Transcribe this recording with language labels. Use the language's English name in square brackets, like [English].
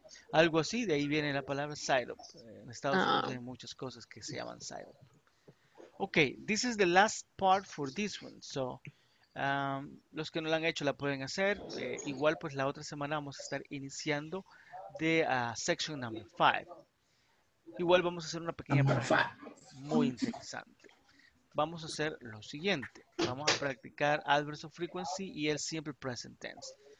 [Spanish] Algo así, de ahí viene la palabra syrup. En Estados Unidos hay muchas cosas que se llaman syrup. [English] Okay, this is the last part for this one. [Spanish] So, los que no la han hecho la pueden hacer. Igual, pues la otra semana vamos a estar iniciando de section number 5. Igual vamos a hacer una pequeña práctica muy interesante. Vamos a hacer lo siguiente. Vamos a practicar adverbs of frequency y el simple present tense.